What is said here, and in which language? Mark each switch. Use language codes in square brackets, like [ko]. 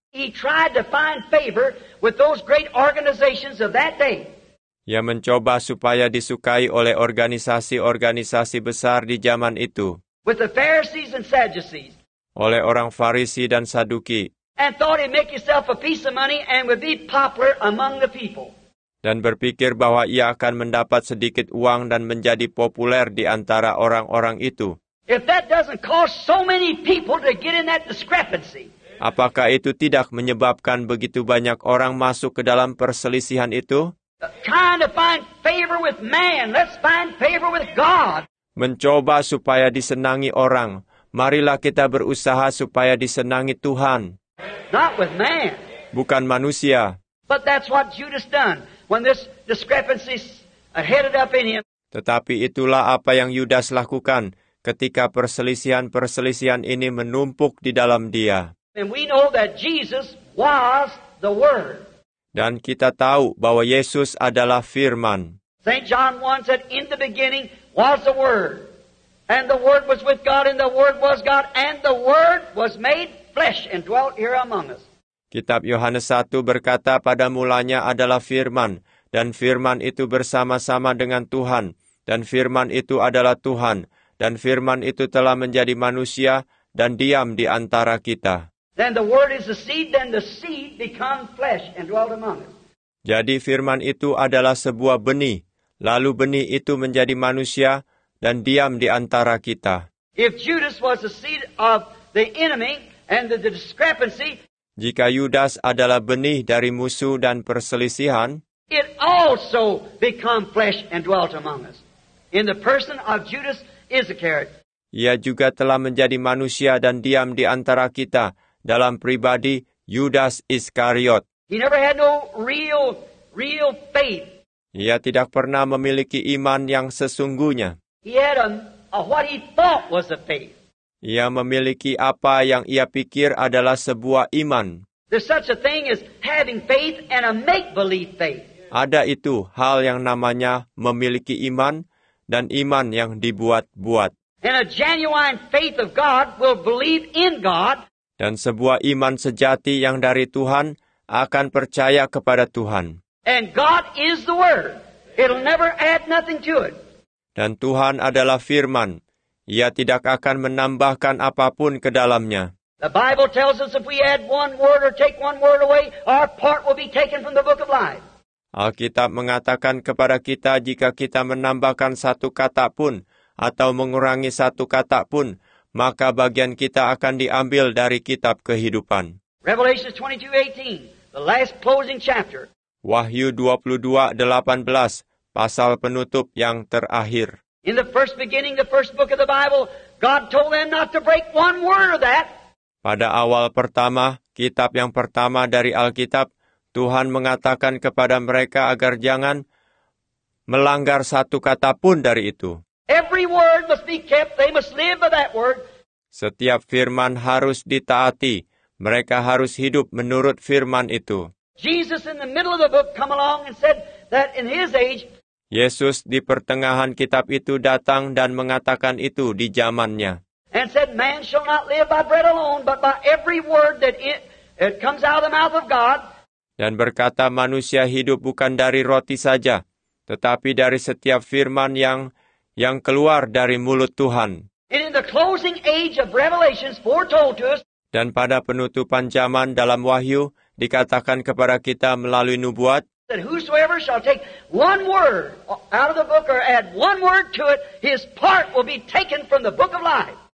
[en] He tried to find favor with those great organizations of that day. [id] Ia mencoba supaya disukai oleh organisasi-organisasi besar di zaman itu. [en] With the Pharisees and Sadducees. [id] Oleh orang Farisi dan Saduki. [en] And thought he'd make himself a piece of money and would be popular among the people. [id] Dan berpikir bahwa ia akan mendapat sedikit uang dan menjadi populer di antara orang-orang itu. [en] If that doesn't cause so many people to get in that discrepancy. [id] Apakah itu tidak menyebabkan begitu banyak orang masuk ke dalam perselisihan itu? [en] Trying to find favor with man. Let's find favor with God. [id] Mencoba supaya disenangi orang. Marilah kita berusaha supaya disenangi Tuhan. [en] Not with man. [id] Bukan manusia. [en] But that's what Judas done when this discrepancy headed up in him. [id] Tetapi itulah apa yang Yudas lakukan ketika perselisihan-perselisihan ini menumpuk di dalam dia. [en] And we know that Jesus was the Word. [id] Dan kita tahu bahwa Yesus adalah Firman. [en] St. John 1 said, in the beginning was the Word. And the Word was with God, and the Word was God, and the Word was made flesh and dwelt here among us. [id] Kitab Yohanes 1 berkata, pada mulanya adalah Firman, dan Firman itu bersama-sama dengan Tuhan, dan Firman itu adalah Tuhan, dan Firman itu telah menjadi manusia dan diam di antara kita. [en] Then the Word is the seed, then the seed become flesh and dwelt among us. [id] Jadi Firman itu adalah sebuah benih, lalu benih itu menjadi manusia dan diam di antara kita. [en] If Judas was the seed of the enemy and the discrepancy, [id] jika Yudas adalah benih dari musuh dan perselisihan, [en] it also become flesh and dwelt among us. In the person of Judas Iscariot, [id] ia juga telah menjadi manusia dan diam di antara kita dalam pribadi Yudas Iskariot. [en] He never had no real faith. [id] Ia tidak pernah memiliki iman yang sesungguhnya. [en] He had a what he thought was a faith. [id] Ia memiliki apa yang ia pikir adalah sebuah iman. [en] There's such a thing as having faith and a make-believe faith. [id] Ada itu hal yang namanya memiliki iman dan iman yang dibuat-buat. [en] And a genuine faith of God will believe in God. [id] Dan sebuah iman sejati yang dari Tuhan akan percaya kepada Tuhan. [en] And God is the Word. It'll never add nothing to it. [id] Dan Tuhan adalah Firman. Ia tidak akan menambahkan apapun ke dalamnya. [en] The Bible tells us if we add one word or take one word away, our part will be taken from the book of life. [id] Alkitab mengatakan kepada kita jika kita menambahkan satu kata pun atau mengurangi satu kata pun, maka bagian kita akan diambil dari kitab kehidupan. [en] Revelation 22:18, the last closing chapter. [id] Wahyu 22:18, pasal penutup yang terakhir. [en] In the first beginning, the first book of the Bible, God told them not to break one word of that. [id] Pada awal pertama, kitab yang pertama dari Alkitab, Tuhan mengatakan kepada mereka agar jangan melanggar satu kata pun dari itu. [en] Every word must be kept. They must live by that word. [id] Setiap firman harus ditaati. Mereka harus hidup menurut firman itu. [en] Jesus in the middle of the book come along and said that in his age, [id] Yesus di pertengahan kitab itu datang dan mengatakan itu di zamannya. [en] And said, man shall not live by bread alone, but by every word that it comes out of the mouth of God. [id] Dan berkata manusia hidup bukan dari roti saja, tetapi dari setiap firman yang keluar dari mulut Tuhan. [en] And in the closing age of Revelations foretold to us, [id] dan pada penutupan zaman dalam Wahyu dikatakan kepada kita melalui nubuat, [en] that whosoever shall take one word out of the book or add one word to it, his part will be taken from the book of life.